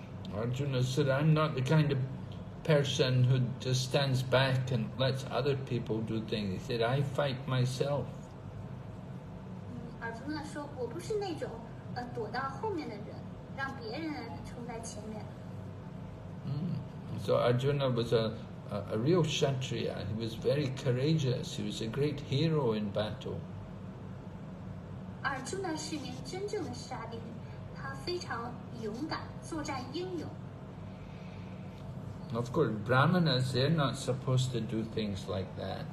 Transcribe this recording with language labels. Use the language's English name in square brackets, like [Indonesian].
[English] Arjuna said, "I'm not the kind of person who just stands back and lets other people do things." He said, "I fight myself." [Chinese] 阿尔朱呢说：“我不是那种躲到后面的人，让别人冲在前面。” [English] So Arjuna was a real Kshatriya. He was very courageous. He was a great hero in battle. [Chinese] 阿尔朱呢是名真正的沙弟，他非常勇敢，作战英勇。 [English] Of course, Brahmanas, they're not supposed to do things like that.